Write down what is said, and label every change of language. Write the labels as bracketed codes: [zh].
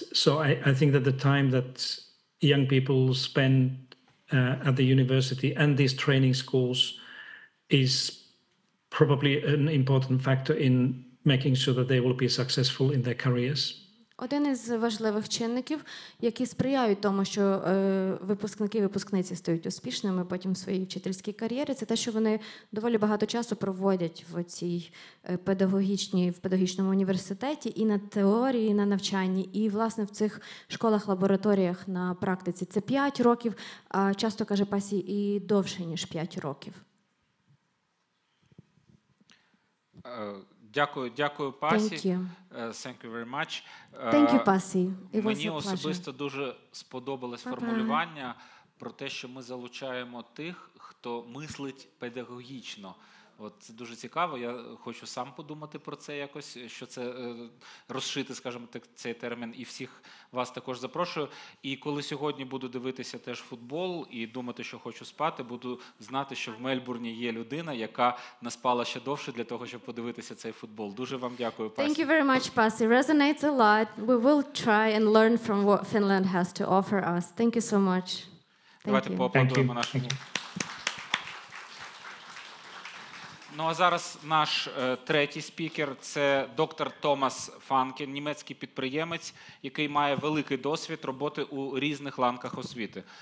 [en] So I think that the time that young people spend at the university and these training schools is probably an important factor in making sure that they will be successful in their careers. [uk] Один із важливих чинників, які сприяють тому, що випускники-випускниці стають успішними потім в своїй вчительській кар'єрі, це те, що вони доволі багато часу проводять в цій педагогічному університеті і на теорії, і на навчанні, і, власне, в цих школах-лабораторіях на практиці. Це 5 років, а часто, каже Пасі, і довше, ніж 5 років. Дякую, Пасі. [en] Thank you very much. Thank you, Пасі. It was a pleasure. [uk] Мені особисто дуже сподобалось формулювання про те, що ми залучаємо тих, хто мислить педагогічно. От це дуже цікаво. Я хочу сам подумати про це якось, що це розшити, скажімо так, цей термін, і всіх вас також запрошую. І коли сьогодні буду дивитися теж футбол і думати, що хочу спати, буду знати, що в Мельбурні є людина, яка наспала ще довше для того, щоб подивитися цей футбол. Дуже вам дякую, Пасі. [en] Thank you very much, Pasi. Resonates a lot. We will try and learn from what Finland has to offer us. Thank you so much. [uk] Давайте поаплодуємо нашому. Ну, а зараз наш третій спікер – це доктор Томас Фанкен, німецький підприємець, який має великий досвід роботи у різних ланках освіти.